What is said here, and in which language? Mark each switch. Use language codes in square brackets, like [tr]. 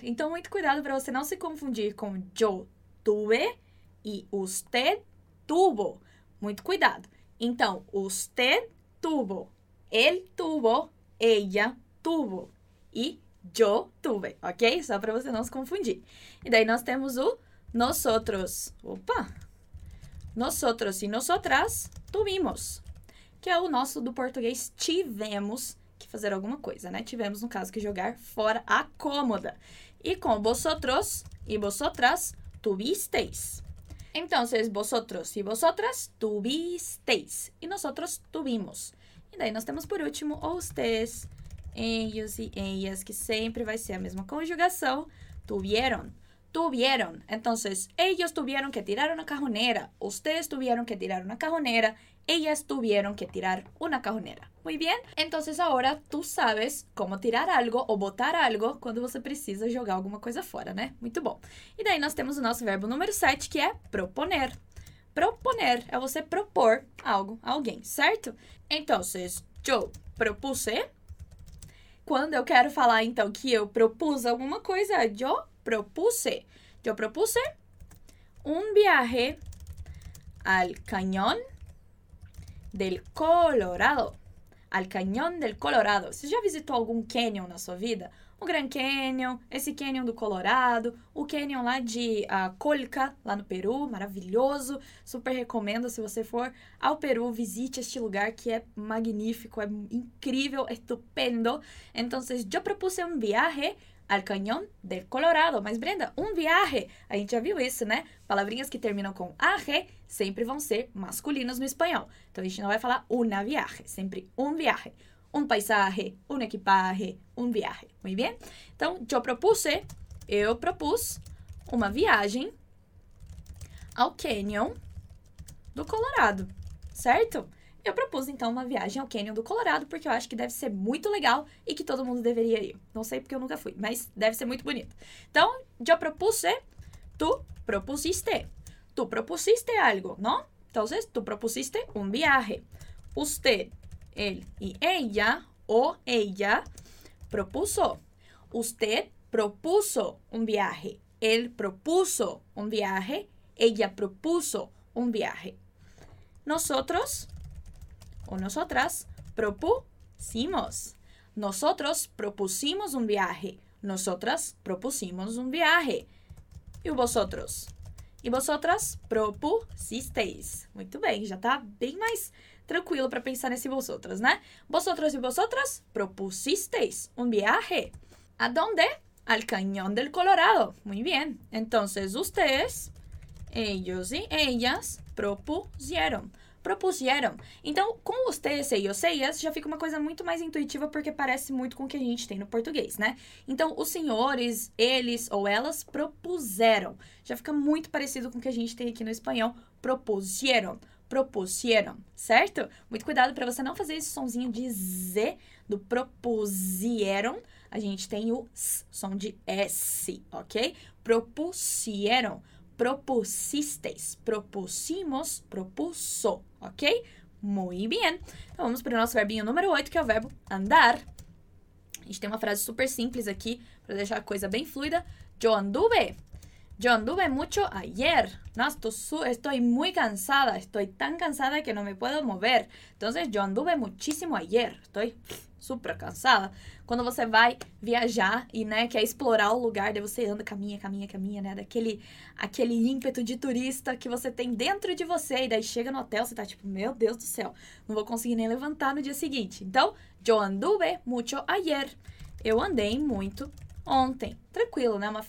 [pt] Então, muito cuidado para você não se confundir com [es] yo tuve [pt] e [es] usted tuvo. [pt] Muito cuidado. [es] Então, usted tuvo, él tuvo, ella tuvo e yo tuve, ok? [pt] Só para você não se confundir. E daí nós temos o nosotros. Opa! [es] Nosotros e nosotras tuvimos, [pt] que é o nosso do português tivemos que fazer alguma coisa, né? Tivemos, no caso, que jogar fora a cômoda. E com [es] vosotros e vosotras tuvisteis. [pt] Então, [es] vosotros e vosotras tuvisteis. [pt] E nós outros tuvimos. E daí nós temos por último ustedes, ellos e ellas, que sempre vai ser a mesma conjugação. [es] Tuvieron. Tuvieron. Então, ellos tuvieron que tirar una cajonera. Ustedes tuvieron que tirar una cajonera. Ellas tuvieron que tirar una cajonera. Muy bien. [pt] Então, agora tu sabes como tirar algo ou botar algo quando você precisa jogar alguma coisa fora, né? Muito bom. E daí nós temos o nosso verbo número 7, que é proponer. Proponer é você propor algo a alguém, certo? Então, [es] yo propuse. [pt] Quando eu quero falar, então, que eu propus alguma coisa, yo propuse. [es] Yo propuse un viaje al cañón del Colorado. Al Cañón del Colorado. [pt] Você já visitou algum canyon na sua vida? O Grand Canyon, esse canyon do Colorado, o canyon lá de Colca, lá no Peru, maravilhoso. Super recomendo, se você for ao Peru, visite este lugar que é magnífico, é incrível, estupendo. [es] Então, yo propuse un viaje al Cañón del Colorado. [pt] Mas, Brenda, [es] un viaje, [pt] a gente já viu isso, né? Palavrinhas que terminam com aje sempre vão ser masculinas no espanhol. Então, a gente não vai falar [es] una viaje, [pt] sempre [es] un viaje. Un paisaje, un equipaje, un viaje. Muy bien? [pt] Então, [es] yo propuse, [pt] eu propus uma viagem ao Cañón do Colorado, certo? Eu propus, então, uma viagem ao Cañón do Colorado, porque eu acho que deve ser muito legal e que todo mundo deveria ir. Não sei porque eu nunca fui, mas deve ser muito bonito. [es] Então, yo propuse, tu propusiste. Tu propusiste algo, não? Então, tu propusiste un viaje. Usted, él y ella, o ella, propuso. Usted propuso un viaje. Él propuso un viaje. Ella propuso un viaje. Nosotros o nosotras propusimos. Nosotros propusimos un viaje. Nosotras propusimos un viaje. E vosotros? E vosotras propusisteis. [pt] Muito bem, já está bem mais tranquilo para pensar nesse vosotros, né? [es] Vosotros e vosotras propusisteis un viaje. ¿A dónde? Al Cañón del Colorado. Muy bien. Entonces, ustedes, ellos y ellas propusieron. Propusieron. [pt] Então, com [es] ustedes, ellos, ellas, [pt] já fica uma coisa muito mais intuitiva porque parece muito com o que a gente tem no português, né? Então, os senhores, eles ou elas propuseram. Já fica muito parecido com o que a gente tem aqui no espanhol. [es] Propusieron. Propusieron. [pt] Certo? Muito cuidado para você não fazer esse sonzinho de Z do propusieron. A gente tem o S, som de S, ok? [es] Propusieron. Propusisteis, propusimos, propuso, ok? Muy bien. [pt] Então vamos para o nosso verbinho número 8, que é o verbo andar. A gente tem uma frase super simples aqui, para deixar a coisa bem fluida. [es] Yo anduve mucho ayer. No, estoy muy cansada, estoy tan cansada que no me puedo mover. Entonces, yo anduve muchísimo ayer, estoy super cansada. [pt] Quando você vai viajar e, né, quer explorar o lugar, daí você anda, caminha, né? Daquele ímpeto de turista que você tem dentro de você. E daí chega no hotel, você tá tipo, meu Deus do céu, não vou conseguir nem levantar no dia seguinte. Então, [es] yo anduve mucho ayer. [pt] Eu andei muito ontem. Tranquilo, né?